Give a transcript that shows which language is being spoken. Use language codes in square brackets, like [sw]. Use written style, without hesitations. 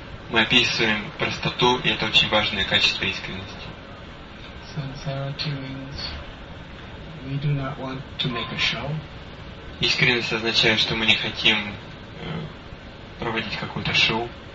[ru] Мы описываем простоту, и это очень важное качество искренности. [en] Sincerity means we do not want to make a show. [ru] Искренность означает, что мы не хотим проводить какое-то шоу.